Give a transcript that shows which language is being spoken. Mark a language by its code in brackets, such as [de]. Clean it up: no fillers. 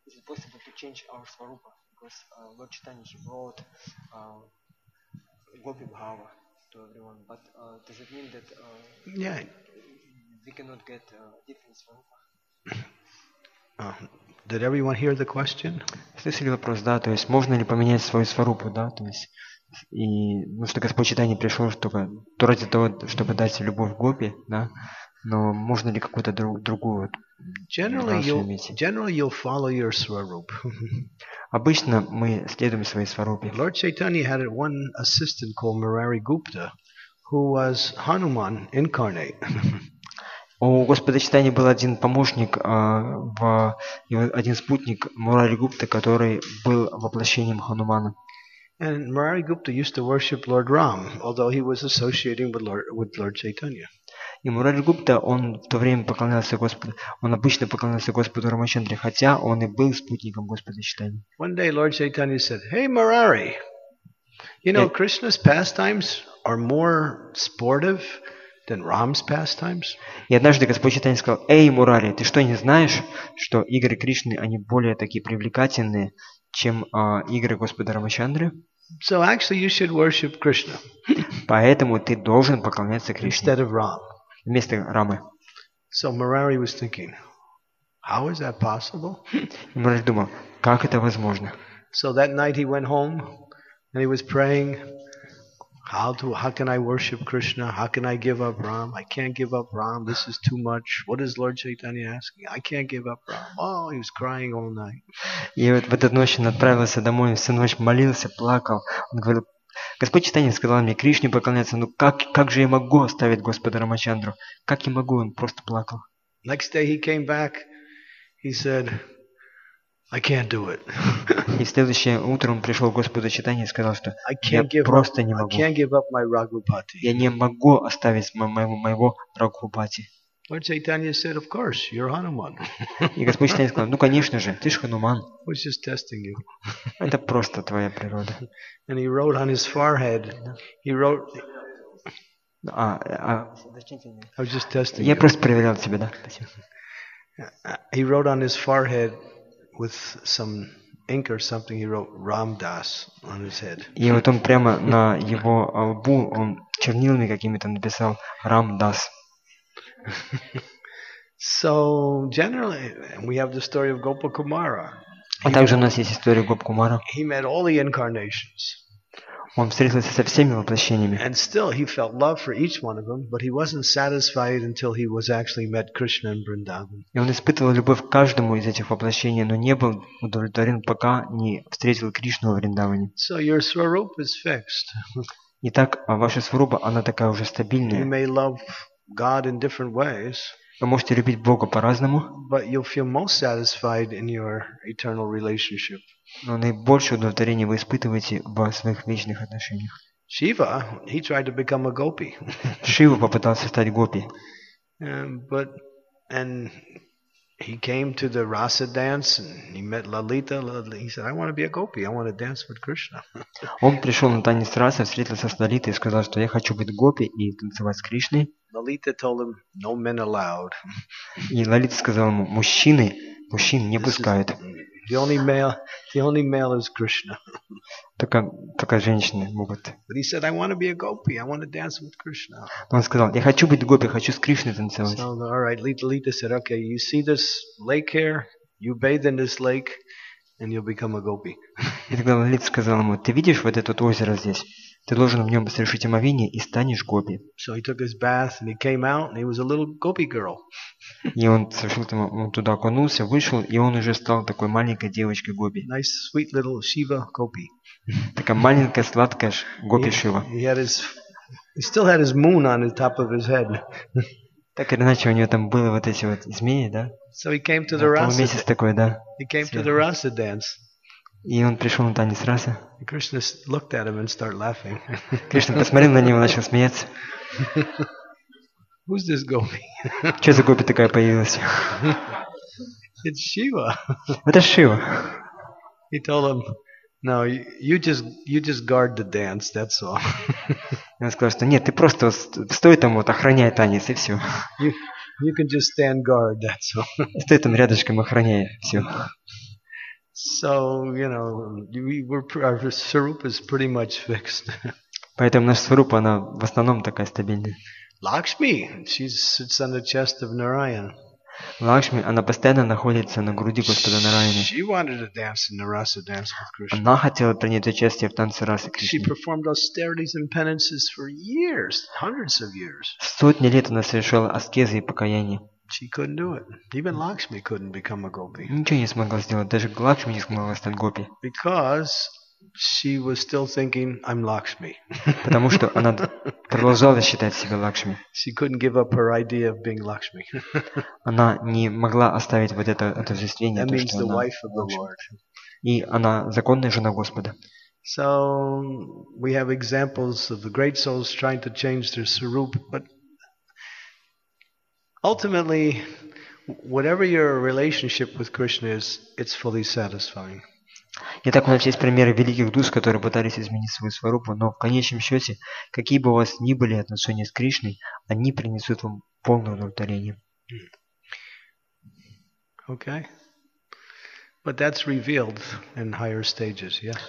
[en] Possible to change our Swarupa because Lord Chaitanya brought Gopi Bhava to everyone, but does it mean that we cannot get a different Swarupa? Did everyone hear the question? [ru] Слышали вопрос, да, то есть можно ли поменять свою Сварупу, да, то есть и, ну, что Господь Чайтанья пришел, чтобы, то ради того, чтобы дать любовь Гопи, да, но можно ли какую-то другую [en] generally you'll follow your swarup. [ru] Обычно мы следуем своей сварупе. [en] Lord Chaitanya had one assistant called Murari Gupta, who was Hanuman incarnate. [ru] У Господа Чайтаньи был один помощник, один спутник Мурари Гупта, который был воплощением Ханумана. [en] And Murari Gupta used to worship Lord Ram, although he was associating with Lord Chaitanya. [ru] И Мураль Гупта, он в то время поклонялся Господу. Он обычно поклонялся Господу Рамачандре, хотя он и был спутником Господа Чайтаньи. [en] One day Lord Chaitanya said, "Hey Murari, you know Krishna's pastimes are more sportive than Ram's pastimes." [ru] И однажды Господь Чайтанья сказал: "Эй Мурари, ты что не знаешь, что игры Кришны они более такие привлекательные, чем игры Господа Рамачандры?" [en] So actually, you should worship Krishna. [ru] Поэтому ты должен поклоняться Кришне. [en] Instead of Ram. [ru] Вместо Рамы. [en] So Murari was thinking, how is that possible? [ru] Мурари думал, как это возможно? [en] So that night he went home and he was praying, how can I worship Krishna? How can I give up Ram? I can't give up Ram. This is too much. What is Lord Chaitanya asking? I can't give up Ram. Oh, he was crying all night. [ru] И вот в эту ночь он отправился домой, всю ночь молился, плакал. Он говорил: Господь Чайтанья сказал мне Кришне поклоняться, но как же я могу оставить Господа Рамачандру? Как я могу? Он просто плакал. [en] Next day he came back. He said, I can't do it. [ru] И следующее утро он пришел к Господу Чайтанье и сказал, что я просто не могу. [en] I can't give up my Рагхупати. [ru] Я не могу оставить моего Рагхупати. [en] Lord Chaitanya said, of course, you're Hanuman. [ru] И Господь Чайтанья сказал, ну конечно же, ты ж Хануман. [en] He's just testing you. [ru] Это просто твоя природа. [en] And he wrote on his forehead, he wrote... I was just testing you. [ru] Я просто проверял тебя, да? Спасибо. [en] He wrote on his forehead with some ink or something, he wrote Ramdas on his head. [ru] И вот он прямо на его лбу, он чернилами какими-то написал Ramdas. [en] So generally, we have the story of Gopakumara. [ru] А также у нас есть история Гопакумара. [en] He met all the incarnations. [ru] Он встретился со всеми воплощениями. [en] And still, he felt love for each one of them, but he wasn't satisfied until he was actually met Krishna in Vrindavan. [ru] И он испытывал любовь к каждому из этих воплощений, но не был удовлетворен, пока не встретил Кришну в Вриндаване. [en] So your swarup is fixed. [ru] Итак, ваша сварупа она такая уже стабильная. [en] You may love God in different ways. [ru] Вы можете любить Бога по-разному. [en] But you'll feel most satisfied in your eternal relationship. [ru] Но наибольшее удовлетворение вы испытываете в своих вечных отношениях. [en] Shiva, he tried to become a gopi. [ru] Шива попытался стать гопи. [en] And he came to the Rasa dance and he met Lalita. He said, I want to be a gopi. I want to dance with Krishna. [ru] Он пришел на танец Раса, встретился с Лалитой и сказал, что я хочу быть гопи и танцевать с Кришной. [en] Lalita told him, no men allowed. [ru] И Лалита сказала ему, мужчин не пускают. [en] The only male is Krishna. [ru] Только женщины могут. [en] But he said, I want to be a gopi. I want to dance with Krishna. [ru] Он сказал, я хочу быть гопи, хочу с Кришной танцевать. [en] So, all right, Lalita said, okay, you see this lake here? You bathe in this lake, and you'll become a gopi. [ru] И тогда Лалита сказала ему, ты видишь вот это озеро здесь? Ты должен в нем совершить омовение и станешь гопи. [en] So he took his bath and he came out and he was a little gopi girl. [ru] И он совершил там, он туда окунулся, вышел, и он уже стал такой маленькой девочкой гопи. [en] Nice sweet little Shiva gopi. [ru] Такая маленькая сладкая гопи Шива. [en] He still had his moon on the top of his head. [ru] Так или иначе у него там были вот эти вот змеи, да? [en] So he came to the Rasa. [ru] Полумесяц такой, да? [en] He came to the Rasa dance. [ru] И он пришел на танец Раса. [en] Krishna looked at him and started laughing. [ru] Кришна посмотрел на него и начал смеяться. [en] Who's this gopi? [ru] Что за гопи такая появилась? [en] It's Shiva. [ru] Это Шива. [en] He told him, no, you just guard the dance, that's all. [ru] Он сказал, что нет, ты просто стой там вот, охраняй танец и все. [en] You can just stand guard, that's all. [ru] Стой там рядышком, охраняй все. [en] So, you know, our swarup is pretty much fixed. [ru] Поэтому наш сварупа, она в основном такая стабильная. [en] Lakshmi, she sits on the chest of Narayan. [ru] Лакшми, она постоянно находится на груди Господа Нараяны. [en] She wanted to dance in the Rasa dance with Krishna. [ru] Она хотела принять участие в танце Раса Кришны. [en] She performed austerities and penances for years, hundreds of years. [ru] Сотни лет она совершала аскезы и покаяние. [en] She couldn't do it. Even Lakshmi couldn't become a gopi. [ru] Ничего не смогла сделать. Даже Лакшми не смогла стать гопи. [en] Because she was still thinking, I'm Lakshmi. [ru] Потому что она продолжала считать себя Лакшми. [en] She couldn't give up her idea of being Lakshmi. [ru] Она не могла оставить вот это жествление. [en] That means [ru] что [en] the [ru] она [en] wife of the Lord. [ru] И она законная жена Господа. [en] So we have examples of the great souls trying to change their swarup, but Ultimately, whatever your relationship with Krishna is, it's fully satisfying. [ru] Итак, у нас есть примеры великих душ, которые пытались изменить свою сварупу, но в конечном счете, какие бы у вас ни были отношения с Кришной, они принесут вам полное удовлетворение. [en] Okay. But that's revealed in higher stages, yes?